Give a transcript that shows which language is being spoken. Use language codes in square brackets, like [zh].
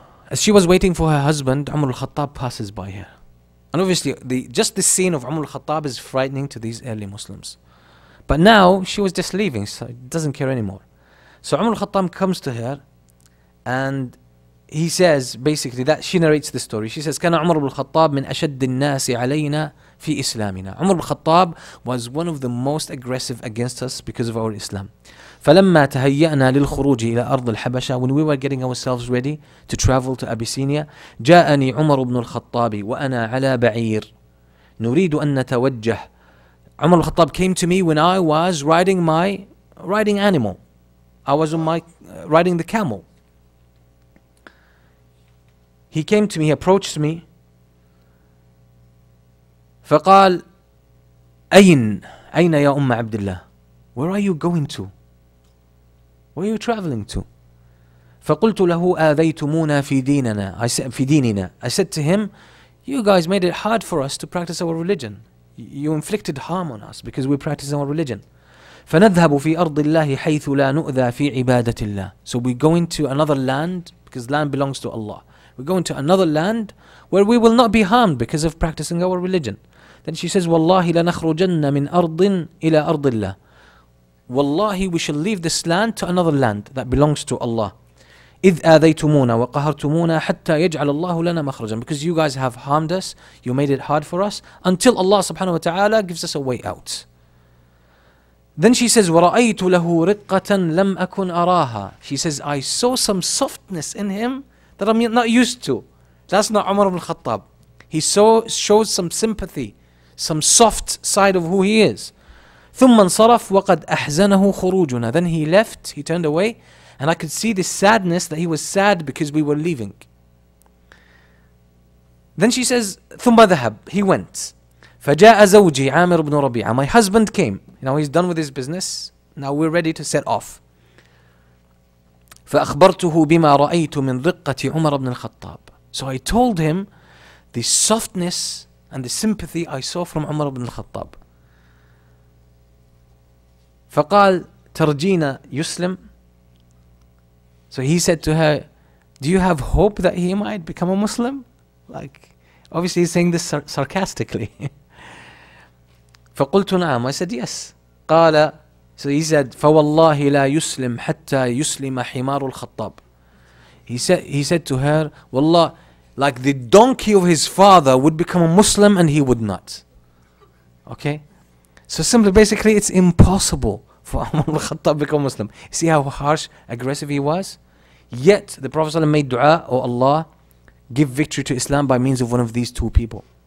[en] As she was waiting for her husband, Umar al-Khattab passes by her. And obviously, just the scene of Umar al-Khattab is frightening to these early Muslims. But now, she was just leaving, so she doesn't care anymore. So Umar al-Khattab comes to her, and he says, basically, that she narrates the story. She says, [ar] كان عمر بن الخطاب من أشد الناس علينا في إسلامنا. [en] عمر بن الخطاب was one of the most aggressive against us because of our Islam. [ar] فلما تهيأنا للخروج إلى أرض الحبشة, [en] when we were getting ourselves ready to travel to Abyssinia, [ar] جاءني عمر بن الخطاب وأنا على بعير نريد أن نتوجه. [en] عمر بن الخطاب came to me when I was riding my riding animal. I was on my riding the camel. He came to me, he approached me. [ar] فقال أين أين يا أم عبد الله. [en] Where are you going to? Where are you traveling to? [ar] فقلت له آذيتمونا في ديننا. [en] I said [ar] في ديننا. [en] I said to him, you guys made it hard for us to practice our religion. You inflicted harm on us because we practice our religion. [ar] فنذهب في أرض الله حيث لا نؤذى في عبادة الله. [en] So we go into another land because land belongs to Allah. We go into another land where we will not be harmed because of practicing our religion. Then she says, [ar] وَاللَّهِ لَنَخْرُجَنَّ مِنْ أَرْضٍ إِلَىٰ أَرْضِ اللَّهِ. [en] Wallahi, we shall leave this land to another land that belongs to Allah. [ar] إِذْ آذَيْتُمُونَ وَقَهَرْتُمُونَ حَتَّى يَجْعَلَ اللَّهُ لَنَا مَخْرَجًا. [en] Because you guys have harmed us, you made it hard for us, until Allah subhanahu wa ta'ala gives us a way out. Then she says, [ar] وَرَأَيْتُ لَهُ رِقَّةً لَمْ أَكُنْ أَرَاهَا. [en] She says, I saw some softness in him that I'm not used to. That's not Umar ibn Khattab. He shows some sympathy, some soft side of who he is. [ar] ثم انصرف وقد أحزنه خروجنا. [en] Then he left, he turned away, and I could see this sadness that he was sad because we were leaving. Then she says, [ar] ثم ذهب. [en] He went. [ar] فجاء زوجي عامر بن ربيعة. [en] My husband came. Now he's done with his business. Now we're ready to set off. [ar] فأخبرته بما رأيت من رقة عمر بن الخطاب. [en] So I told him the softness and the sympathy I saw from عمر بن الخطاب. [ar] فقال ترجينا يسلم. [en] So he said to her, do you have hope that he might become a Muslim? Like, obviously he's saying this sarcastically. [ar] فقلت نعم. [en] I said yes. [ar] قال, [en] so he said, [ar] فوالله لا يسلم حتى يسلم حمار الخطاب. [en] He said to her, والله, like the donkey of his father would become a Muslim and he would not. Okay? So simply, basically, it's impossible for Umar al-Khattab to become Muslim. See how harsh, aggressive he was? Yet, the Prophet ﷺ made dua, oh Allah, give victory to Islam by means of one of these two people.